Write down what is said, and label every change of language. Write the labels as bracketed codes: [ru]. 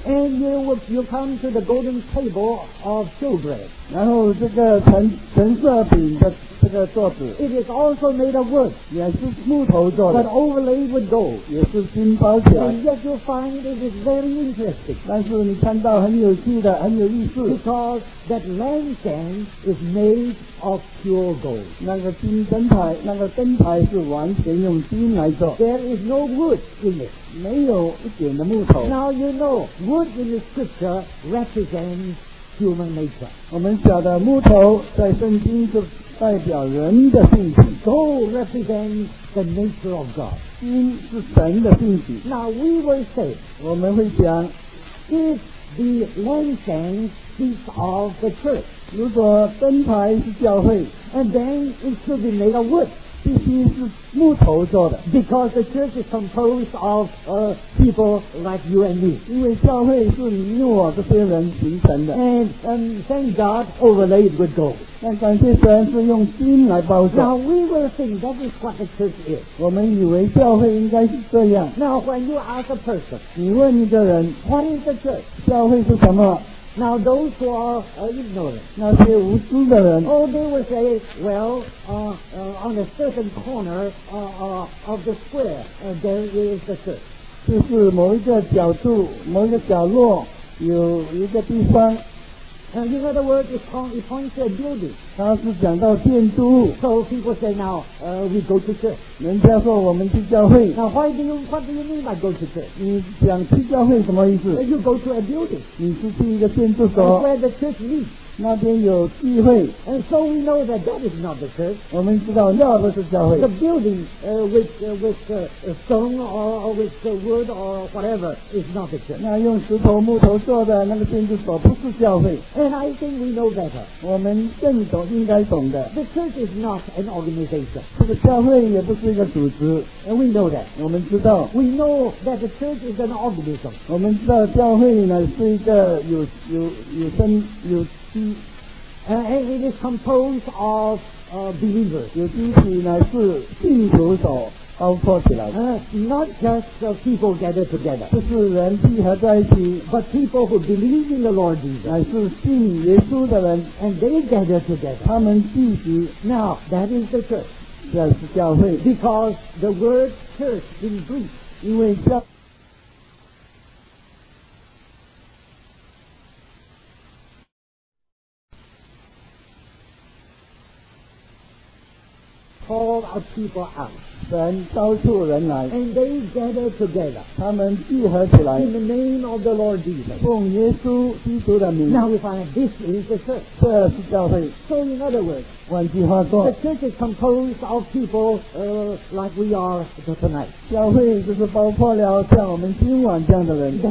[en] And you come to the golden table of showbread, [zh] 然后这个陈设饼的这个桌子。 [en] It is also made of wood, [zh] 也是木头做的。 [en] But overlaid with gold, [zh] 也是金包起来。 [en] And yet you find it is very interesting, [zh] 但是你看到很有趣的，很有意思。 [en] Because that lampstand is made of pure gold, [zh] 那个金灯台，那个灯台是完全用金来做。 [en] There is no wood in it, [zh] 没有一点的木头。 [en] Now you know, wood in the scripture represents human nature. [zh] 我们晓得木头在圣经是代表人的性情。 [en] Gold represents the nature of God. [zh] 金是神的性情。 [en] Now we will say, [zh] 我们会讲， [en] if the lampstand speaks of the church, [zh] 如果灯台是教会， [en] and then it should be made of wood, [zh] 必须是木头做的。 [en] Because the church is composed of people like you and me, [zh] 因为教会是你我这些人形成的。 [en] And thank God, overlaid with gold, [zh] 但感谢神是用金来包住。 [en] Now we will think that is what the church is, [zh] 我们以为教会应该是这样。 [en] Now when you ask a person, [zh] 你问一个人， [en] what is the church, [zh] 教会是什么？ [en] Now those who are ignorant, [zh] 那些无知的人， [en] oh, they will say, well, on a certain corner of the square, there is the church. [zh] 就是某一个角度，某一个角落有一个地方。 [en] And in other words, it points to a building. [zh] 它是讲到建筑物。 [en] So people say now, we go to church. [zh] 人家说我们去教会。 [en] Now what do you mean by go to church? [zh] 你讲去教会什么意思？ [en] You go to a building. [zh] 你是去一个建筑所。 [en] And where the church meets. [zh] 那边有聚会。 [en] And so we know that that is not the church. [zh] 我们知道那不是教会。 [en] The building with stone or with wood or whatever is not the church. [zh] 那用石头木头做的那个建筑所不是教会。 [en] And I think we know better. [zh] 我们更懂，应该懂的。 [en] The church is not an organization. [zh] 这个教会也不是一个组织。 [en] And we know that. [zh] 我们知道。 [en] We know that the church is an organism. [zh] 我们知道教会呢是一个有生有机。 [en] And it is composed of believers. [zh] 有机体呢是信徒所包括起来。 [en] Not just people gathered together, [zh] 不是人聚合在一起， [en] but people who believe in the Lord Jesus, [zh] 乃是信耶稣的人。 [en] And they gather together, [zh] 他们聚集。 [en] Now that is the church, [zh] 这是教会。 [en] Because the word church in Greek, [zh] 因为教 [en] Call our people out. [zh] 神召出人来 [en] And they gather together. [zh] 他们聚合起来 [en] In the name of the Lord Jesus. [zh] 奉耶稣基督的名 [en] Now we find this is the church. [zh] 这是教会 [en] So in other words, [zh] 换句话说 [en] The church is composed of people like we are tonight. [zh] 教会就是包括了像我们今晚这样的人